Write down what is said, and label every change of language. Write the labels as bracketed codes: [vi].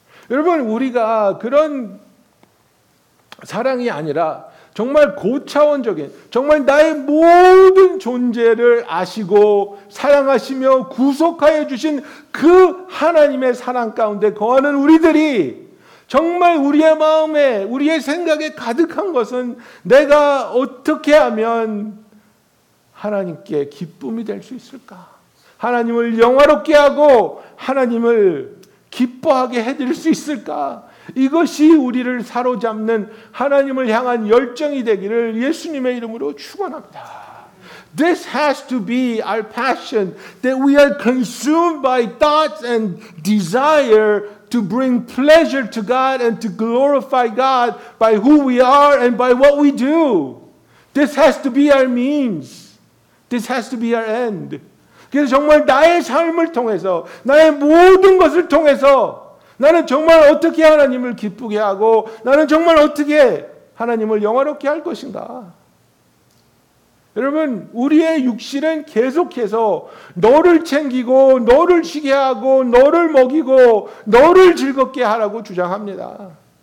[ko] 여러분 우리가 그런 사랑이 아니라 정말 고차원적인 정말 나의 모든 존재를 아시고 사랑하시며 구속하여 주신 그 하나님의 사랑 가운데 거하는 우리들이 정말 우리의 마음에 우리의 생각에 가득한 것은 내가 어떻게 하면 하나님께 기쁨이 될 수 있을까? 하나님을 영화롭게 하고 하나님을 기뻐하게 해드릴 수 있을까? 이것이 우리를 사로잡는 하나님을 향한 열정이 되기를 예수님의 이름으로 축원합니다. [en] This has to be our passion that we are consumed by thoughts and desire to bring pleasure to God and to glorify God by who we are and by what we do. This has to be our means. This has to be our end. [ko] 그래서 정말 나의 삶을 통해서 나의 모든 것을 통해서 나는 정말 어떻게 하나님을 기쁘게 하고 나는 정말 어떻게 하나님을 영화롭게 할 것인가? 여러분 우리의 육신은 계속해서 너를 챙기고 너를 쉬게 하고 너를 먹이고 너를 즐겁게 하라고 주장합니다.